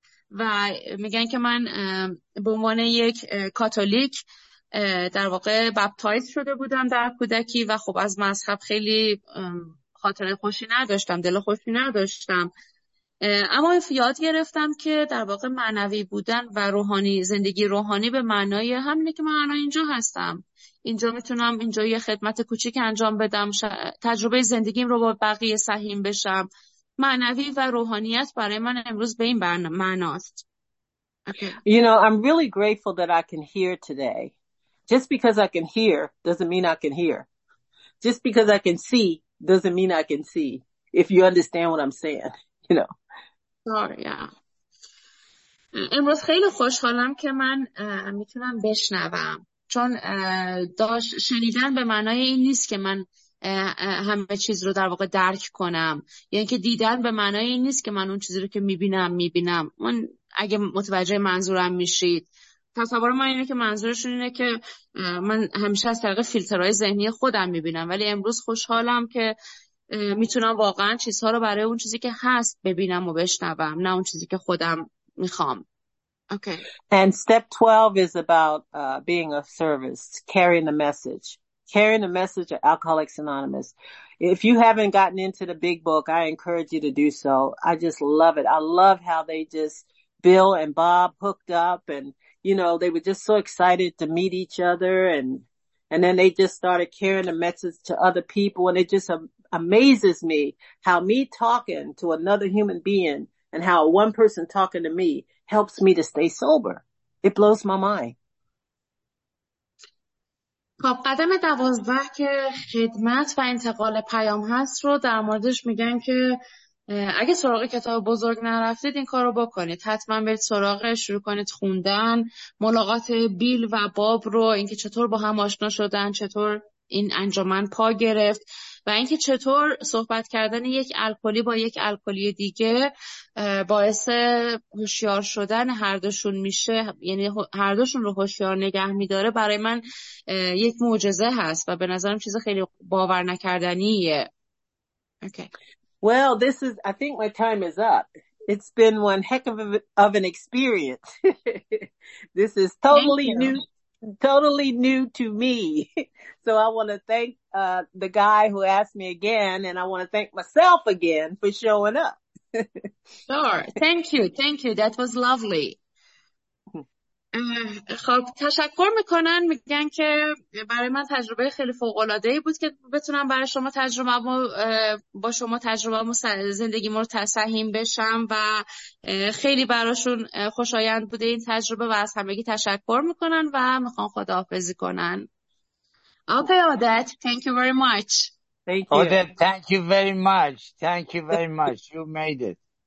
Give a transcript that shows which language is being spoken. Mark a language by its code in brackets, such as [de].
[fa] و میگن که من به عنوان یک کاتولیک در واقع بپتایز شده بودم در کودکی و خب از مذهب خیلی خاطره خوشی نداشتم، دل خوشی نداشتم، اما یاد گرفتم که در واقع معنوی بودن و روحانی، زندگی روحانی به معنای همینه که من الان اینجا هستم، اینجا میتونم اینجا یه خدمت کوچیک انجام بدم، تجربه زندگیم رو با بقیه سهیم بشم. معنوی و روحانیت برای من امروز به این معناست. [en] Okay. You know, I'm really grateful that I can hear today. Just because I can hear doesn't mean I can hear. Just because I can see doesn't mean I can see. If you understand what I'm saying, you know. Sorry, yeah. [fa] امروز خیلی خوشحالم که من میتونم بشنوم، چون داشت شنیدن به معنای این نیست که من همه چیز رو در واقع درک کنم، یعنی که دیدن به معنای این نیست که من اون چیزی رو که میبینم. من اگه متوجه منظورم میشید، تصور من اینه که منظورشون اینه که من همیشه از طریق فیلترهای ذهنی خودم میبینم، ولی امروز خوشحالم که میتونم واقعا چیزها رو برای اون چیزی که هست ببینم و بشنوم، نه اون چیزی که خودم میخوام. [en] Okay. And step 12 is about being of service, carrying the message of Alcoholics Anonymous. If you haven't gotten into the big book, I encourage you to do so. I just love it. I love how they just, Bill and Bob hooked up and, you know, they were just so excited to meet each other. And then they just started carrying the message to other people. And it just amazes me how me talking to another human being and how one person talking to me helps me to stay sober. It blows my mind. [fa] خب قدم 12 که خدمت و انتقال پیام هست رو در موردش میگن که اگه سراغ کتاب بزرگ نرفتید این کار رو بکنید، حتما برید سراغش، شروع کنید خوندن. ملاقات بیل و باب رو، اینکه چطور با هم آشنا شدن، چطور این انجمن پا گرفت و اینکه چطور صحبت کردن یک الکلی با یک الکلی دیگه باعث هوشیار شدن هر دوشون میشه، یعنی هر دوشون رو هوشیار نگه میداره، برای من یک معجزه هست و به نظرم چیز خیلی باور نکردنیه. [en] Okay. Well, this is, I think my time is up. It's been one heck of an experience. This is totally new to me. So I want to thank the guy who asked me again, and I want to thank myself again for showing up. Sure. Thank you. That was lovely. [fa] خب تشکر میکنن، میگن که برای من تجربه خیلی فوق‌العاده‌ای بود که بتونم برای شما تجربه مو با شما تجربه مو زندگی مو رو تسهیم بشم و خیلی براشون خوشایند بوده این تجربه و از همگی تشکر میکنن و میخوان خداحافظی کنن. Okay, Odette, thank you very much. Thank you. Odette, thank you very much. Thank you very much. You made it.